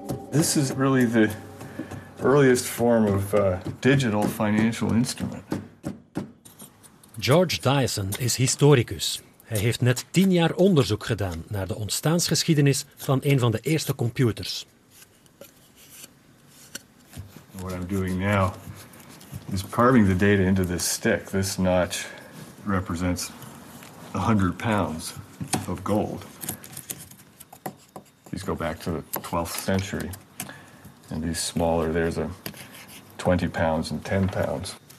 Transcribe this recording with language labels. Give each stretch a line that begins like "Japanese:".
English: This is really the earliest form of digital financial instrument.
Dutch: George Dyson is historicus. Hij heeft net 10 jaar onderzoek gedaan naar de ontstaansgeschiedenis van een van de eerste computers.
English: What I'm doing now is carving the data into this stick. This notch represents 100 pounds of gold. go back to the 12th century. And these smaller, there's a 20 pounds and 10 pounds.